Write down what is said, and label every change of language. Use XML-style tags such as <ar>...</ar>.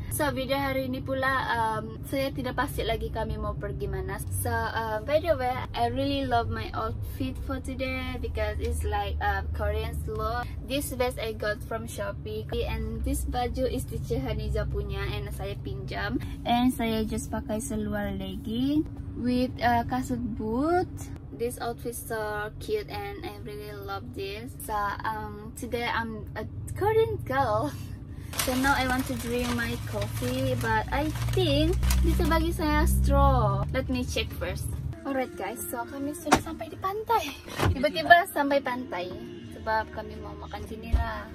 <ms>So video hari ini pula saya tidak pasti lagi kami mau pergi mana.</ms> <en>So by the way, I really love my outfit for today because it's like Korean look. This vest I got from Shopee and this</en> <ms>baju</ms> <en>is Teacher Haniza</en> <ms>punya</ms> <en>and</en> <ms>saya pinjam. And saya</ms> <en>just</en> <ms>pakai seluar legging</ms> <en>with</en> <ms>kasut boot.</ms> <en>This outfit so cute and I really love this. So today I'm a Korean girl. So now I want to drink my coffee, but I think</en> <ms>dito bagi saya</ms> <en>straw. Let me check first. Alright guys, so</en> <ms>kami sudah sampai di pantai. Tiba-tiba sampai pantai sebab kami mau makan sini lah.</ms>